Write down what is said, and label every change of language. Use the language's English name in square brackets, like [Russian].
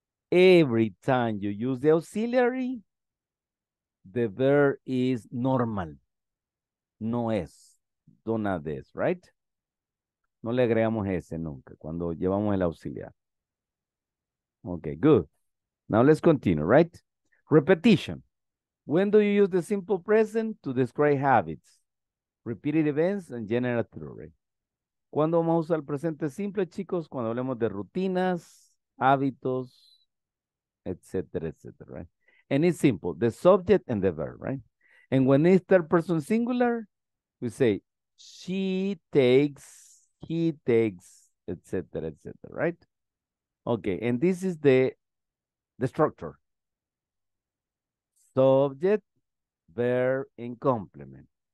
[English] Every time you use the auxiliary, the verb is normal. [Spanish] No es. [English] Don't add this, right? [Spanish] No le agregamos ese nunca cuando llevamos el auxiliar. [English] Okay, good. Now let's continue, right? Repetition. When do you use the simple present to describe habits? Repeated events and general theory. [Spanish] ¿Cuándo vamos a usar el presente simple, chicos? Cuando hablemos de rutinas, hábitos, etcétera, etcétera, [English] right? And it's simple, the subject and the verb, right? And when it's third person singular, we say, she takes, he takes, etc., right? Okay, and this is the structure. Subject, verb, and complement.